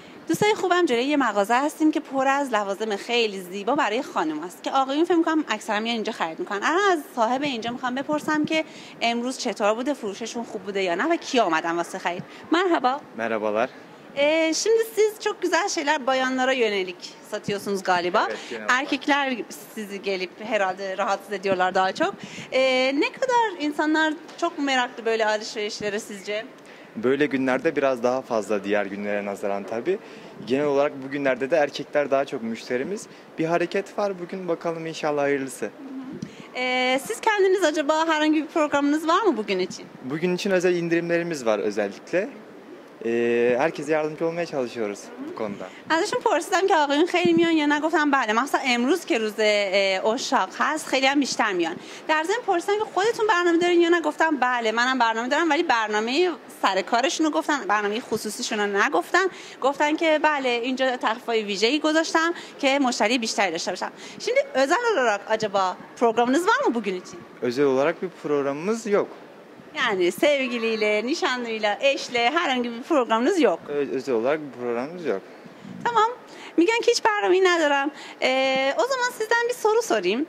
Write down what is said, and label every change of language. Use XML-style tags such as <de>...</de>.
<fa>دوستای خوبم جلوی یه مغازه هستیم که پر از لوازم خیلی زیبا برای خانم است که آقایون فکر می‌کنم اکثرا میان اینجا خرید می‌کنن. الان از صاحب اینجا می‌خوام بپرسم که امروز چطور بوده؟ فروششون خوب بوده یا نه و کی اومدن واسه خرید؟ مرحبا.</fa> <tr>Merhabalar. Şimdi siz çok güzel şeyler bayanlara yönelik satıyorsunuz galiba. Evet, erkekler sizi gelip herhalde rahatsız ediyorlar daha çok. Ne kadar insanlar çok meraklı böyle alışverişlere sizce? Böyle günlerde biraz daha fazla diğer günlere nazaran tabii. Genel olarak bugünlerde de erkekler daha çok müşterimiz. Bir hareket var bugün, bakalım inşallah hayırlısı. Siz kendiniz acaba herhangi bir programınız var mı bugün için? Bugün için özel indirimlerimiz var özellikle. Herkese yardımcı olmaya çalışıyoruz bu konuda.</tr> <fa>ازشون پرسیدم که آقایون خیلی میان یا نه، گفتم بله مثلا امروز که روز عشاق هست خیلی هم بیشتر میان. در ضمن پرسیدم که خودتون برنامه دارین یا نه، گفتم بله منم برنامه دارم، ولی برنامه سر کارشون رو گفتن، برنامه خصوصیشون رو نگفتن. گفتن که بله اینجا تخفیف ویژه‌ای گذاشتم که مشتری بیشتری داشته باشم.</fa> <tr>Şimdi özel olarak acaba programınız var mı bugün için? Özel olarak bir programımız yok. Yani sevgiliyle, nişanlıyla, eşle herhangi bir programınız yok. Özel olarak bir programımız yok. Tamam. Miguel ki hiç programı inadıram. O zaman sizden bir soru sorayım.</tr>